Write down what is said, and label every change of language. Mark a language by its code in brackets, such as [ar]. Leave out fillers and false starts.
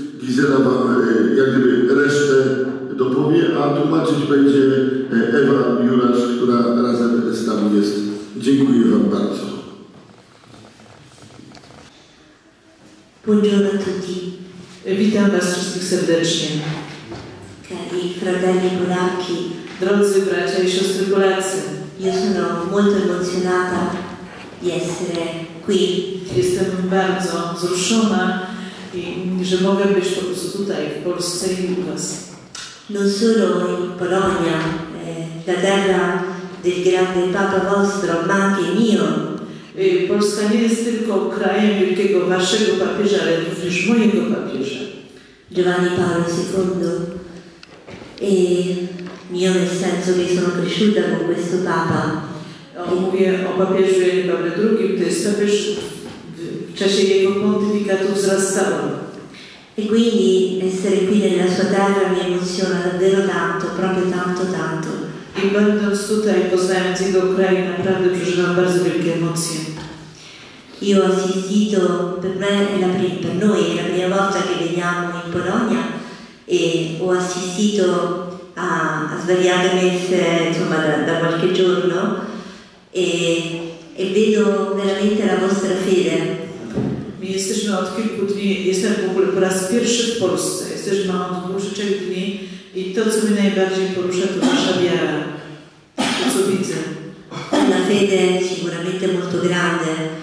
[pl] Gizela wam jak gdyby resztę dopowie, a tłumaczyć będzie Ewa Jurasz, która razem z nami jest. Dziękuję wam bardzo. [it] Buongiorno tutti. [pl] Witam was wszystkich serdecznie. [it] Cari fratelli polacchi. [pl] Drodzy bracia i siostry Polacy. [it] Io sono molto emozionata di essere qui. [pl] Jestem bardzo wzruszona, że mogę być po prostu tutaj, w Polsce i u was. [it] Non solo in Polonia, la terra del grande Papa vostro, ma anche mio. [pl] Polska nie jest tylko krajem wielkiego waszego papieża, ale również mojego papieża. [it] Giovanni Paolo II. E mio, nel senso che sono cresciuta con questo Papa. [pl] Mówię o papieżu Janie Pawle II, to jest papież, w czasie jego pontyfikatu wzrastałam. [it] E quindi essere qui nella sua terra mi emoziona davvero tanto, proprio tanto, tanto. [pl] I będąc tutaj, poznając jego kraj, naprawdę przeżywam bardzo wielkie emocje. [it] Io ho assistito, per noi è la prima volta che veniamo in Polonia e ho assistito a svariate messe, insomma, da qualche giorno e vedo veramente la vostra fede. [pl] My jesteśmy od kilku dni, jestem w ogóle po raz pierwszy w Polsce, jesteśmy od dłuższych dni i to, co mnie najbardziej porusza, to nasza wiara, to, co widzę. [it] La fede sicuramente molto grande.